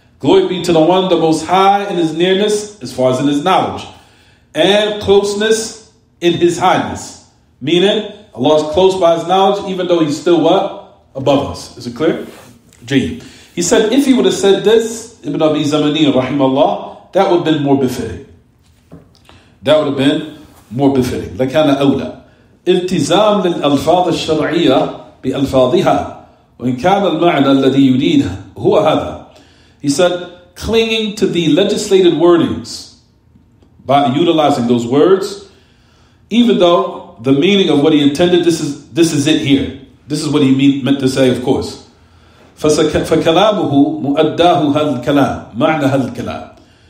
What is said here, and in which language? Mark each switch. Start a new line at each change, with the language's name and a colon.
English: Glory be to the one, the Most High in his nearness, as far as in his knowledge, and closeness in his highness. Meaning, Allah is close by his knowledge, even though he's still what? Above us. Is it clear? Jayyid. He said, if he would have said this, Ibn Abi Zamani, rahimahullah, that would have been more befitting. That would have been more befitting.
Arabic: لَكَانَ أَوْلَى. التزام للألفاظ الشرعية بألفاظها وإن كان المعنى الذي يريد هو هذا.
English: He said, clinging to the legislated wordings by utilizing those words, even though the meaning of what he intended, this is it here. This is what he meant to say, of course.
Arabic: فَكَلَامُهُ مُؤَدَّاهُ هَذَا الْكَلَامُ مَعْنَى هَذَا الْكَلَامُ.